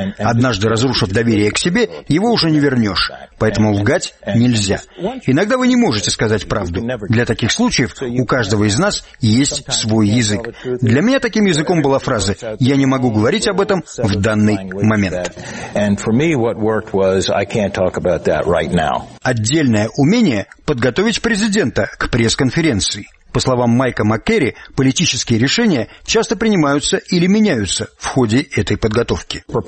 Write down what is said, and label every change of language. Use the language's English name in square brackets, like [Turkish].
[Russian] Однажды разрушив доверие к себе, его уже не вернешь. Поэтому лгать нельзя. Иногда вы не можете сказать правду. Для таких случаев у каждого из нас есть свой язык. Для меня таким языком была фраза «Я не могу говорить об этом в данный момент». [English] And for me what worked was I can't talk about that right now. [Russian] Отдельное умение подготовить президента к пресс-конференции. По словам Майка Маккерри, политические решения часто принимаются или меняются в ходе этой подготовки.